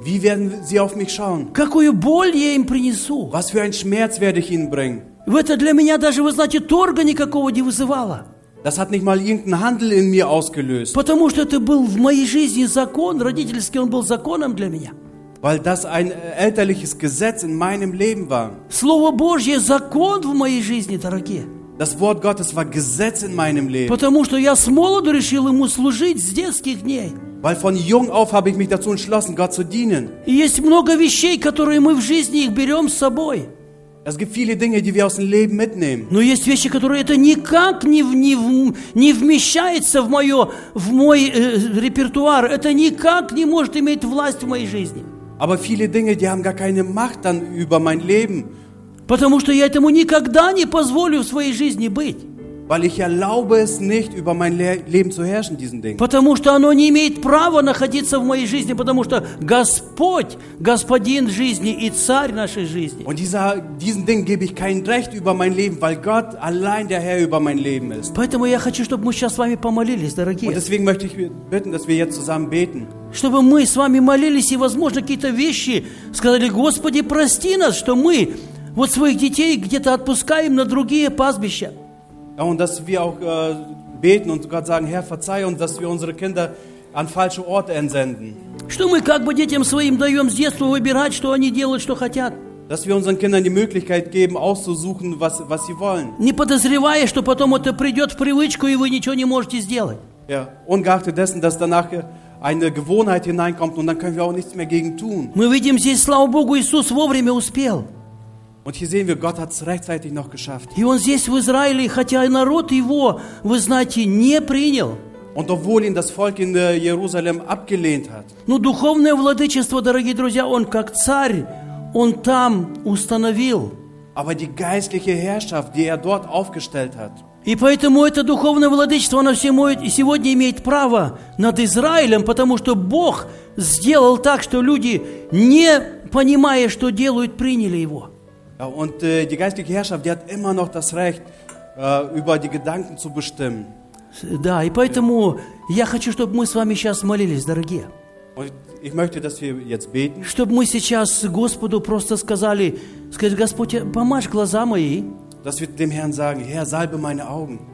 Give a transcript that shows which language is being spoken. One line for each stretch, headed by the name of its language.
German: Wie werden sie auf mich schauen?
Russian: Какую боль я им принесу?
German: Was für einen Schmerz werde ich ihnen bringen?
Russian: В это для меня даже, вы знаете, торга никакого не вызывало.
German: Das hat nicht mal irgendeinen Handel in mir ausgelöst.
Russian: Потому что это был в моей жизни закон, родительский, он был законом для меня.
German: Weil das ein elterliches Gesetz in meinem Leben war.
Russian: Слово Божье закон в моей жизни, дорогие.
German: Das Wort Gottes war Gesetz in meinem Leben.
Russian: Потому что я с молоду решил ему служить с детских дней.
German: Weil von jung auf habe ich mich dazu entschlossen, Gott zu dienen.
Russian: Есть много вещей, которые мы в жизни их берем с собой.
German: Es gibt viele Dinge, die wir aus dem Leben mitnehmen.
Russian: Но есть вещи, которые это никак не вмещается в мой репертуар. Это никак не может иметь власть в моей жизни.
German: Aber viele Dinge, die haben gar keine Macht dann über mein Leben.
Russian: Потому что я этому никогда не позволю в своей жизни быть.
German: Weil ich erlaube es nicht, über mein Leben zu herrschen, diesen Dingen.
Russian: Потому что оно не имеет права находиться в моей жизни, потому что Господь, Господин жизни и Царь нашей жизни.
German: Und diesen Dingen gebe ich kein Recht über mein Leben, weil Gott allein der Herr über mein Leben ist.
Russian: Поэтому я хочу, чтобы мы сейчас с вами помолились, дорогие.
German: Und deswegen möchte ich bitten, dass wir jetzt zusammen beten.
Russian: Чтобы мы с вами молились и, возможно, какие-то вещи сказали: Господи, прости нас, что мы вот своих детей где-то отпускаем на другие пастбища.
German: Ja, und dass wir auch beten und Gott sagen: Herr, verzeih uns, dass wir unsere Kinder an falsche Orte entsenden.
Russian: Что мы как бы детям своим даем с детства выбирать, что они делают, что хотят.
German: Dass wir unseren Kindern die Möglichkeit geben, auszusuchen, was sie wollen.
Russian: Не подозревая, что потом это придет в привычку и вы ничего не можете сделать.
German: Ja, ungeachtet dessen, dass danach eine Gewohnheit hineinkommt und dann können wir auch nichts mehr gegen tun.
Russian: Мы видим здесь, слава Богу, Иисус вовремя успел.
German: Und hier sehen wir, Gott hat es rechtzeitig noch geschafft.
Russian: И он здесь в Израиле, хотя и народ его, вы знаете, не принял.
German: Und obwohl ihn das Volk in Jerusalem abgelehnt hat.
Russian: Но духовное владычество, дорогие друзья, он как царь, он там установил.
German: Aber die geistliche Herrschaft, die dort aufgestellt hat.
Russian: И поэтому это духовное владычество, оно всему и сегодня имеет право над Израилем, потому что Бог сделал так, что люди, не понимая, что делают, приняли его.
German: Ja, und die geistliche Herrschaft, die hat immer noch das Recht, über die Gedanken zu bestimmen.
Russian: Да, и поэтому я хочу, чтобы мы с вами сейчас молились, дорогие.
German: Und ich möchte, dass wir jetzt beten.
Russian: Чтобы мы сейчас Господу просто сказали: Господь, помажь глаза мои.
German: Dass wir dem Herrn sagen: Herr, salbe meine Augen.